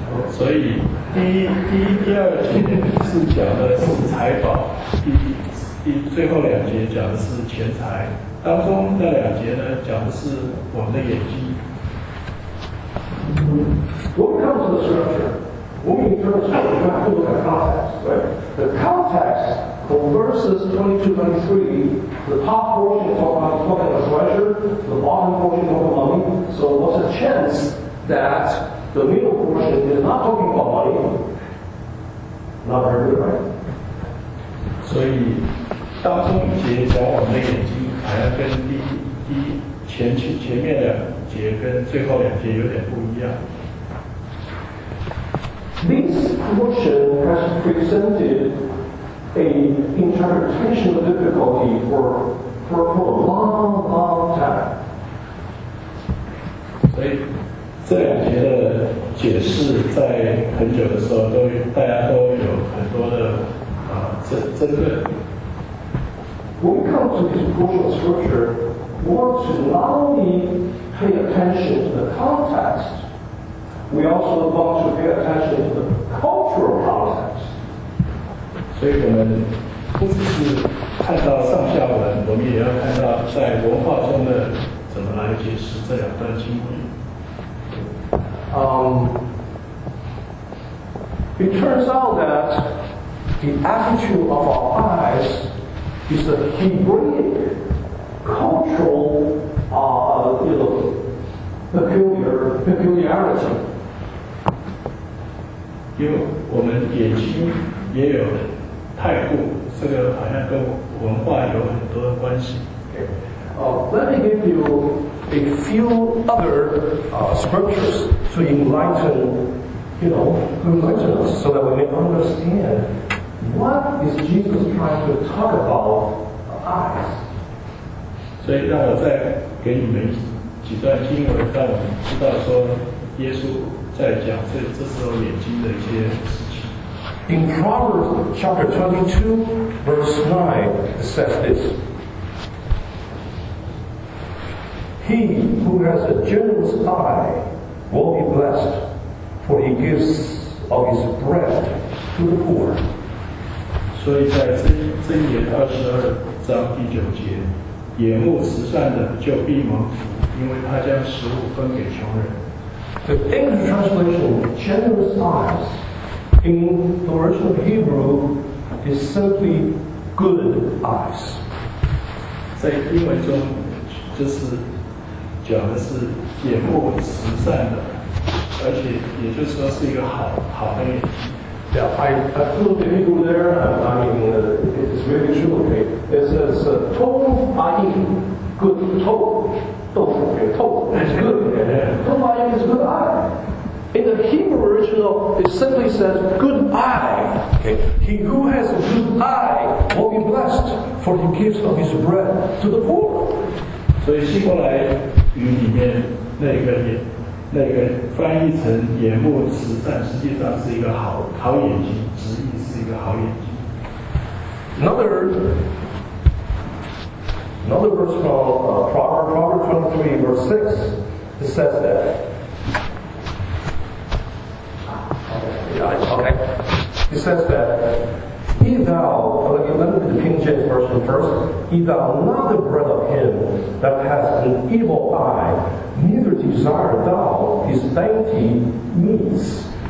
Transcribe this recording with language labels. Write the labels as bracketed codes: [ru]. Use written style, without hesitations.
[zh] 所以第一、第二节是讲的是财宝，最后两节讲的是钱财。当中那两节呢，讲的是我们的眼睛。 [en] When it comes to the scripture, when we turn to the scripture, we have to look at context, right? The context for verses 22-23, the top portion talking about treasure, the bottom portion talking about money. So what's the chance that the middle portion is not talking about money? Not very good, right? [zh] 所以当中一节讲我们的眼睛，好像跟前面两节跟最后两节有点不一样。 [en] This portion has presented an interpretation of difficulty for a long, long time. [zh] 所以这两节的解释在很久的时候都大家都有很多的争论。 [en] When we come to this portion of scripture, we want to not only pay attention to the context, we also want to pay attention to the cultural context. [zh] 所以我们不只是看到上下文，我们也要看到在文化中的怎么来解释这两段经文。 [en] It turns out that the attitude of our eyes is a Hebraic cultural peculiarity. [zh] 因为我们眼睛也有态度，这个好像跟文化有很多的关系。 [en] Let me give you a few other scriptures to enlighten us so that we may understand what is Jesus trying to talk about eyes. [zh] 所以让我再给你们几段经文，让我们知道说耶稣在讲这时候眼睛的一些事情。 [en] In Proverbs chapter 22, verse 9, it says this. He who has a generous eye will be blessed, for he gives of his bread to the poor. [zh] 所以在箴言22:9，眼目慈善的就必蒙福，因为他将食物分给穷人。 [en] The English translation "generous eyes" in the original Hebrew is simply "good eyes." [zh] 在英文中就是。讲的是眼目慈善的，而且也就是说是一个好的眼睛。 [en] Yeah, I put a little bit of there. It's really true. Okay, it says good eye. In the Hebrew original, it simply says good eye. Okay, he who has a good eye will be blessed, for he gives of his bread to the poor. [zh] 所以希伯来语里面那个翻译成眼目慈善，实际上是一个好眼睛，直译是一个好眼睛。 [en] Another verse from Proverbs 23 verse 6, it says that. Okay. It says that. Eat thou not the bread of him that has an evil eye, neither desire thou his dainty meats.